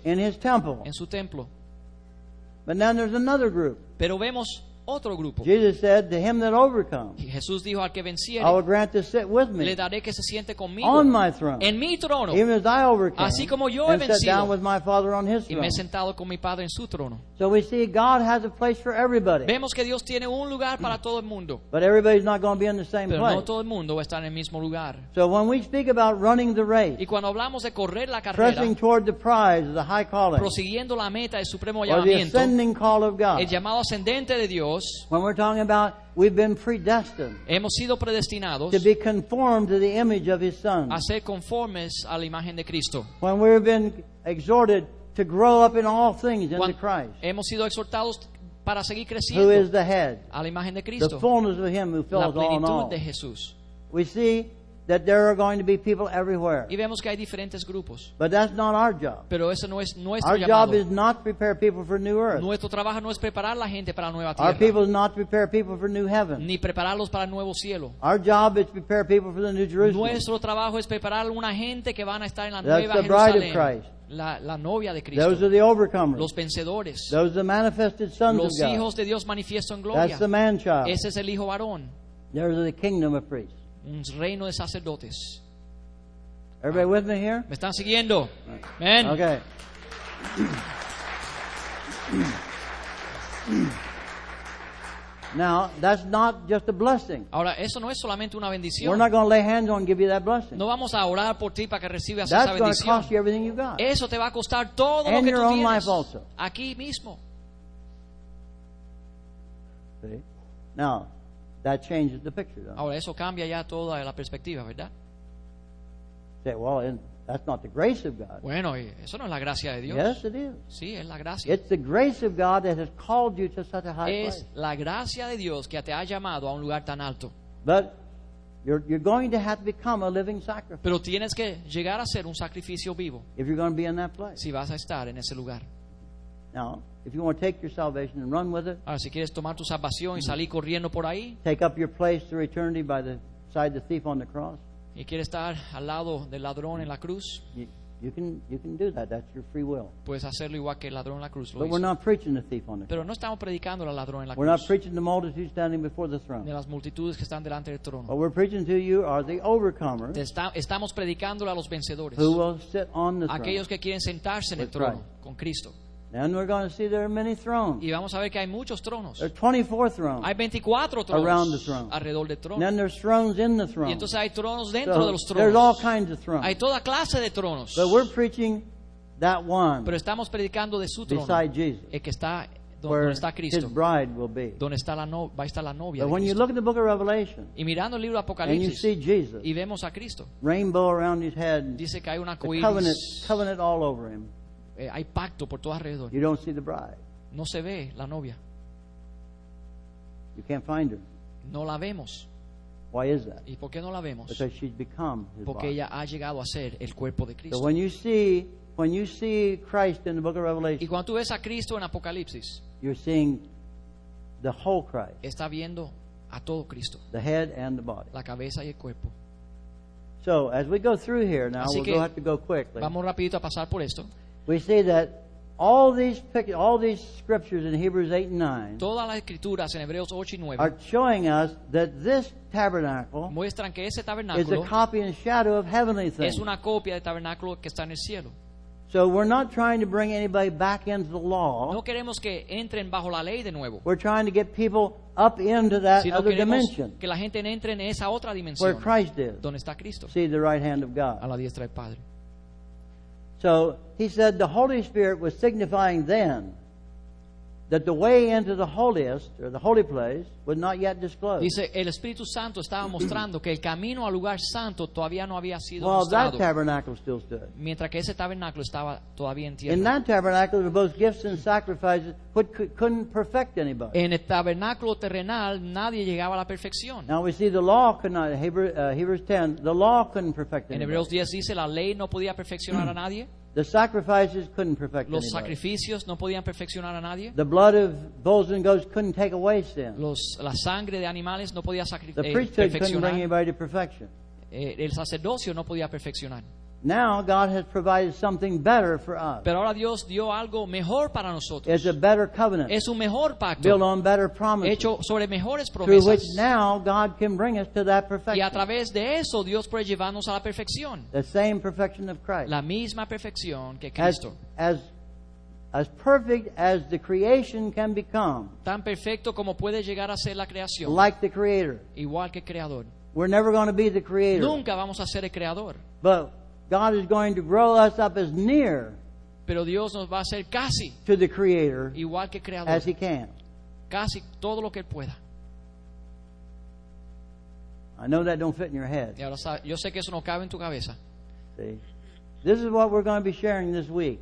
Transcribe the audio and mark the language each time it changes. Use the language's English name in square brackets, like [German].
[English] in his temple, [Spanish] en su templo. [English] But now there's another group. [Spanish] Pero vemos otro grupo. [English] Jesus said to him that overcomes, [Spanish] Jesús dijo, al que venciere, [English] I will grant to sit with me, [Spanish] le daré que se siente conmigo, [English] on my throne, [Spanish] en mi trono, [English] even as I overcame, [Spanish] así como yo [English] and [Spanish] he vencido, [English] sat down with my Father on his throne, [Spanish] y me he sentado con mi Padre en su trono. [English] So we see God has a place for everybody. [Spanish] Vemos que Dios tiene un lugar para todo el mundo. [English] But everybody's not going to be in the same [Spanish] pero [English] place. [Spanish] No todo el mundo va a estar en el mismo lugar. [English] So when we speak about running the race, [Spanish] y cuando hablamos de correr la carrera, [English] pressing toward the prize, the high calling, [Spanish] prosiguiendo la meta, el supremo [English] or [Spanish] llamamiento, [English] the ascending call of God, [Spanish] el llamado ascendente de Dios, [English] when we're talking about we've been predestined, [Spanish] hemos sido predestinados, [English] to be conformed to the image of his Son, [Spanish] a ser conformes a la imagen de Cristo, [English] when we've been exhorted to grow up in all things into Christ, [Spanish] hemos sido exhortados para seguir creciendo, [English] who is the head, [Spanish] a la imagen de Cristo, [English] the fullness of him who fills all in all. [Spanish] De Jesús. [English] We see that there are going to be people everywhere. [Spanish] Y vemos que hay diferentes grupos. [English] But that's not our job. [Spanish] Pero eso no es nuestro [English] our [Spanish] llamado. [English] Job is not to prepare people for new earth. [Spanish] Nuestro trabajo no es preparar la gente para la nueva tierra. [English] Our people is not to prepare people for new heaven. [Spanish] Ni prepararlos para el nuevo cielo. [English] Our job is to prepare people for the new Jerusalem. [Spanish] Nuestro trabajo es preparar una gente que van a estar en la [English] that's [Spanish] nueva [English] the [Spanish] Jerusalén. [English] Bride of Christ. [Spanish] La novia de Cristo. [English] Those are the overcomers. [Spanish] Los vencedores. [English] Those are the manifested sons [Spanish] los [English] of God. [Spanish] Hijos de Dios manifiesto en gloria. [English] That's the man child. [Spanish] Ese es el hijo varón. [English] There is the kingdom of priests. [Spanish] Un reino de sacerdotes. [English] Everybody with me here? [Spanish] Me están siguiendo. Amen. [English] Okay. Now, that's not just a blessing. [Spanish] Ahora, eso no es solamente una bendición. [English] We're not going to lay hands on and give you that blessing. [Spanish] No vamos a orar por ti para que recibas [English] that's [Spanish] esa bendición. [English] That's going to cost you everything you've got. [Spanish] Eso te va a costar todo [English] and [Spanish] lo que [English] your [Spanish] tú [English] own [Spanish] tienes [English] life also. [Spanish] Aquí mismo. [English] See? Now, that changes the picture, though. [Spanish] Ahora eso cambia ya toda la perspectiva, ¿verdad? [English] Say, well, that's not the grace of God. [Spanish] Bueno, eso no es la gracia de Dios. [English] Yes, it is. [Spanish] Sí, es la gracia. [English] It's the grace of God that has called you to such a high [Spanish] es [English] place. [Spanish] Es la gracia de Dios que te ha llamado a un lugar tan alto. [English] But You're going to have to become a living sacrifice. [Spanish] Pero tienes que llegar a ser un sacrificio vivo. [English] If you're going to be in that place. [Spanish] Si vas a estar en ese lugar. [English] Now, if you want to take your salvation and run with it. [Spanish] Ahora, si quieres tomar tu salvación y salir corriendo por ahí. [English] Take up your place through eternity by the side of the thief on the cross. [Spanish] Y quieres estar al lado del ladrón en la cruz. [English] You can do that. That's your free will. [Spanish] Puedes hacerlo igual que el ladrón en la cruz. [English] But we're not preaching the thief on the cross. [Spanish] Pero no estamos predicando al ladrón en la cruz. [English] We're not preaching the multitudes standing before the throne. [Spanish] Ni las multitudes que están delante del trono. [English] What we're preaching to you are the overcomers. [Spanish] Estamos predicándolo a los vencedores. [English] Who will sit on the throne? [Spanish] Aquellos que quieren sentarse en el trono con Cristo. [English] And we're going to see there are many thrones. [Spanish] Y vamos a ver que hay muchos tronos. [English] There are 24 thrones. [Spanish] Hay 24 tronos [English] around the throne. [Spanish] Alrededor del trono. [English] And then there's thrones in the throne. [Spanish] Y entonces hay tronos dentro de los tronos. [English] There's all kinds of thrones. [Spanish] Hay toda clase de tronos. [English] But we're preaching that one. [Spanish] Pero estamos predicando de su trono. [English] Beside Jesus. [Spanish] El que está donde está Cristo. [English] Where his bride will be. [Spanish] Donde está va a estar la novia. [English] But when you look at the book of Revelation. [Spanish] Y mirando el libro de Apocalipsis. [English] And you see Jesus. [Spanish] Y vemos a Cristo. [English] Rainbow around his head. [Spanish] Dice que hay una arco iris. [English] Covenant all over him. [Spanish] Hay pacto por todo alrededor. [English] You don't see the bride. [Spanish] No se ve la novia. [English] You can't find her. [Spanish] No la vemos. [English] Why is that? [Spanish] ¿Y por qué no la vemos? [English] Because she's become his bride. [Spanish] Porque ella ha llegado a ser el cuerpo de Cristo. [English] So when you see Christ in the book of Revelation. [Spanish] Y cuando tú ves a Cristo en Apocalipsis. [English] You're seeing the whole Christ. [Spanish] Está viendo a todo Cristo. [English] The head and the body. [Spanish] La cabeza y el cuerpo. [English] So as we go through here now, [Spanish] así [English] we'll have to go quickly. [Spanish] Vamos rapidito a pasar por esto. [English] We see that all these scriptures in Hebrews 8 and 9, [Spanish] todas las escrituras en Hebreos 8 y 9, [English] are showing us that this tabernacle, [Spanish] muestran que ese tabernáculo, [English] is a copy and shadow of heavenly things. [Spanish] Es una copia del tabernáculo que está en el cielo. [English] So we're not trying to bring anybody back into the law. [Spanish] No queremos que entren bajo la ley de nuevo. [English] We're trying to get people up into that [Spanish] si no [English] other dimension. [Spanish] Que la gente entre en esa otra dimensión. [English] Where Christ is. [Spanish] Donde está Cristo. [English] See the right hand of God. [Spanish] A la diestra del Padre. [English] So he said the Holy Spirit was signifying then that the way into the holiest or the holy place was not yet disclosed. [Spanish] Dice el Espíritu Santo estaba mostrando que el camino al lugar santo todavía no había sido mostrado. [English] While that tabernacle still stood. [Spanish] Mientras que ese tabernáculo estaba todavía en tierra. [English] In that tabernacle were both gifts and sacrifices, but couldn't perfect anybody. [Spanish] En el tabernáculo terrenal nadie llegaba a la perfección. [English] Now we see the law could not. Hebrews 10. The law couldn't perfect anybody. [Spanish] En Hebreos 10 dice la ley no podía perfeccionar a nadie. [English] The sacrifices couldn't perfect anybody. [Spanish] Los sacrificios no podían perfeccionar a nadie. [English] The blood of bulls and goats couldn't take away sin. [Spanish] La sangre de animales no podía perfeccionar. [English] The priesthood couldn't bring anybody to perfection. [Spanish] El sacerdocio no podía perfeccionar. [English] Now God has provided something better for us. [Spanish] Pero ahora Dios dio algo mejor para nosotros. [English] It's a better covenant. [Spanish] Es un mejor pacto. [English] Built on better promises. [Spanish] Hecho sobre mejores promesas. [English] Through which now God can bring us to that perfection. [Spanish] Y a través de eso Dios puede llevarnos a la perfección. [English] The same perfection of Christ. [Spanish] La misma perfección que Cristo. [English] As perfect as the creation can become. [Spanish] Tan perfecto como puede llegar a ser la creación. [English] Like the Creator. [Spanish] Igual que el Creador. [English] We're never going to be the Creator. [Spanish] Nunca vamos a ser el Creador. [English] But God is going to grow us up as near, [Spanish] pero Dios nos va a hacer casi [English] to the Creator, [Spanish] igual que Creador, [English] as He can, [Spanish] casi todo lo que él pueda. [English] I know that don't fit in your head. [Spanish] Y ahora sabes, yo sé que eso no cabe en tu cabeza. [English] See, this is what we're going to be sharing this week.